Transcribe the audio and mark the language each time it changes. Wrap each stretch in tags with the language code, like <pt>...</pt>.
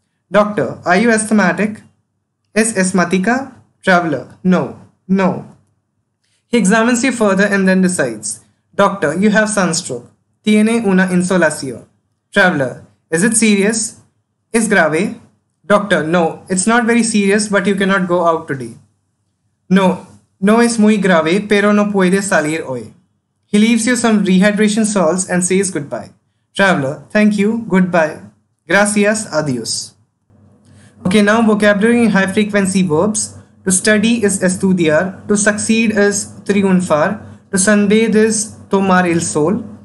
<en>Doctor, are you asthmatic?</en> <es>¿Es asmática?</es> <en>Traveler, no. No. He examines you further and then decides. Doctor, you have sunstroke.</en> <es>Tiene una insolación.</es> <en>Traveler, is it serious?</en> <es>Es grave?</es> <en>Doctor, no, it's not very serious, but you cannot go out today.</en> <es>No es muy grave, pero no puede salir hoy.</es> <en>He leaves you some rehydration salts and says goodbye. Traveler, thank you, goodbye.</en> <es>Gracias, adios.</es> <en>Okay, now vocabulary in high frequency verbs. To study is estudiar. To succeed is triunfar. To sunbathe is</en> <es>tomar el sol.</es>